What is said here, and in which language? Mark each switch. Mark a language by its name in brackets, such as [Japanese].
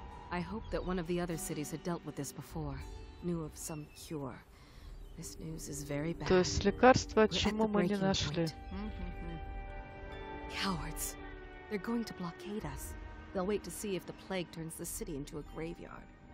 [English] I hope that one of the other cities had dealt with this before, knew of some cure. This news is very bad. [Russian] То есть лекарство, чему мы не нашли. [English] Cowards! They're going to blockade us. They'll wait to see if the plague turns the city into a graveyard.